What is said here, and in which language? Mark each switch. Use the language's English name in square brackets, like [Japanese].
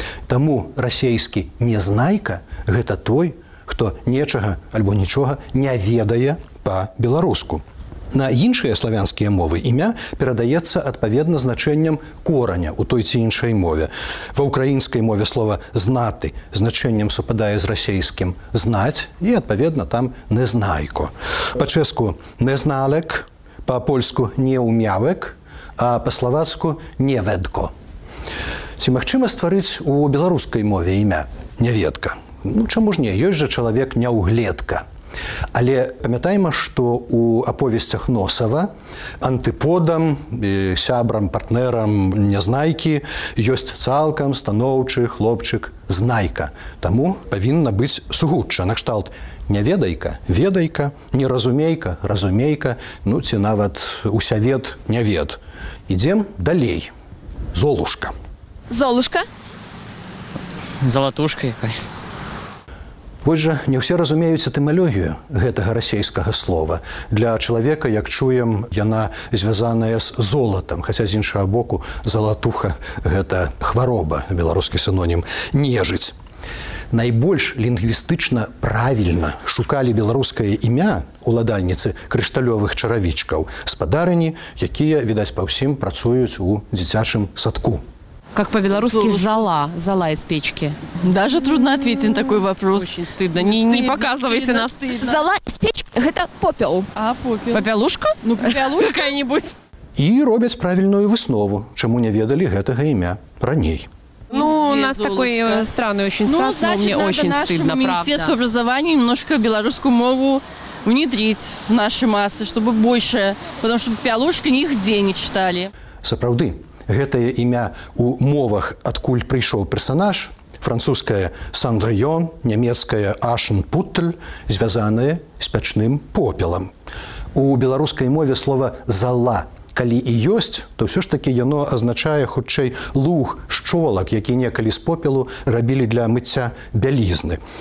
[Belarusian] Таму расейскі «незнайка» – гэта той, хто нечага альбо нічога не ведае па-беларуску. На іншыя славянскія мовы імя перадаецца адпаведна значэннем кораня ў той ці іншай мове. Ва ўкраінскай мове слова «знаты» значэннем супадае з расейскім «знаць» і адпаведна там «незнайко». Па-чэску «незналек», па-польску «неумявек», а па-славацку «неведко». Ці магчыма стварыць у беларускай мове імя «неведка»? Ну, чаму ж не? Ёсць жа чалавек «няўгледка». Але памятаем, што ў аповесцях Носава антыподам, сябрам, партнерам Незнайкі ёсць цалкам станоўчы хлопчык Знайка. Таму павінна быць сугучча на кшталт «няведайка» – «ведайка», «неразумейка» – «разумейка», ну ці нават «усявед» – «нявед». Ідзем далей. Золушка. Золушка? Залатушка якась. Вось жа, не ўсе разумеюць этымалогію гэтага расейскага слова. Для чалавека, як чуем, яна звязаная з золатам, хаця з іншага боку залатуха – гэта хвароба, беларускі синонім, нежыць. Найбольш лінгвістычна правільна шукалі беларускае імя уладальніцы крышталёвых чаравічкаў, спадарыні, якія, відаць, па ўсім працуюць у дзіцячым садку. [Russian] Как по-белорусски «зала», «зала из печки». Даже трудно ответить на такой вопрос. Очень стыдно. Не показывайте стыдно, нас. Стыдно. «Зала из печки» – это попел. А, попел. Попелушка? Ну, попелушка какая-нибудь. И робят правильную выснову, чему не ведали этого имя ранее. Ну, где у нас Золушка? Такой странный очень сад, ну, значит, мне очень стыдно, правда. Ну, значит, Министерство образования немножко белорусскую мову внедрить в наши массы, чтобы больше, потому что «попелушка» нигде не читали. [Belarusian] Сапраўды. Гэтае імя ў мовах, адкуль прыйшоў персанаж, французская «Сандрыён», нямецкая «Ашенпутль», звязанае з пячным попелам. У беларускай мове слова «зала» калі і ёсць, то ўсё ж такі яно азначае хутчэй луг, шчолак, які некалі з попелу рабілі для мыцця бялізны.